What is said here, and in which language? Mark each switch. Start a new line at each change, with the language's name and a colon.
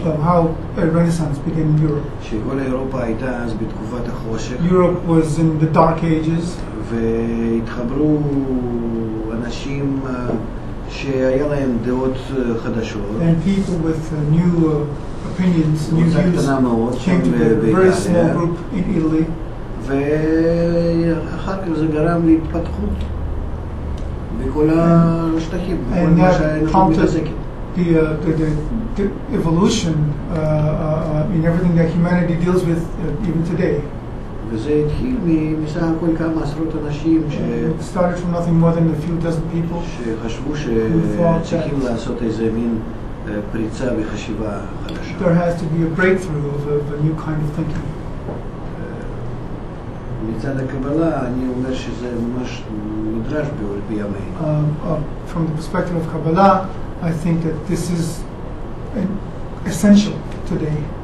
English: From how a Renaissance began in Europe.
Hebrew: שכל אירופה הייתה אז בתקופת החושך.
English: Europe was in the dark ages.
Hebrew: והתחברו אנשים שהיה להם דעות חדשות.
English: And people with new opinions, new views, came to the very small group in Italy.
Hebrew: ואחר כך זה גרם להתפתחות בכל השטחים, בכל מה שהאנושה מתעסקת.
English: The evolution in everything that humanity deals with even today.
Hebrew: וזה התחיל מסך הכל כמה עשרות אנשים
English: started from nothing more than a few dozen people
Hebrew: שחשבו שצריכים לעשות איזה מין פריצה וחשיבה חדשה.
English: There has to be a breakthrough of a new kind of thinking.
Hebrew: מצד הקבלה אני אומר שזה ממש נדרש בימינו.
English: From the perspective of Kabbalah, I think that this is essential today.